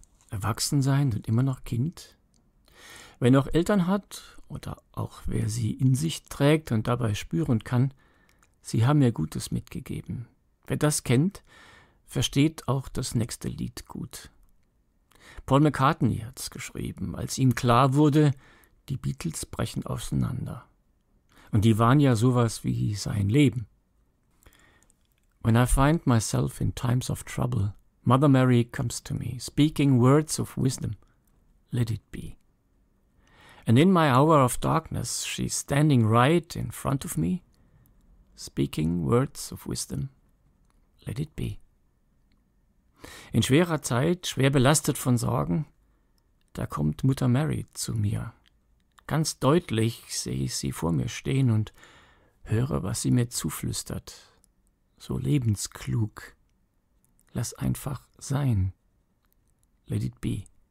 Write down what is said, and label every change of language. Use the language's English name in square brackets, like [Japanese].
[German] Erwachsen sein und immer noch Kind? Wer noch Eltern hat oder auch wer sie in sich trägt und dabei spüren kann, sie haben mir Gutes mitgegeben. Wer das kennt, versteht auch das nächste Lied gut. Paul McCartney hat's geschrieben, als ihm klar wurde, die Beatles brechen auseinander. Und die waren ja sowas wie sein Leben. [English] When I find myself in times of trouble, Mother Mary comes to me, speaking words of wisdom, let it be. And in my hour of darkness, she's standing right in front of me, speaking words of wisdom, let it be. [German] In schwerer Zeit, schwer belastet von Sorgen, da kommt Mutter Mary zu mir. Ganz deutlich sehe ich sie vor mir stehen und höre, was sie mir zuflüstert. So lebensklug. Lass einfach sein. [English] Let it be.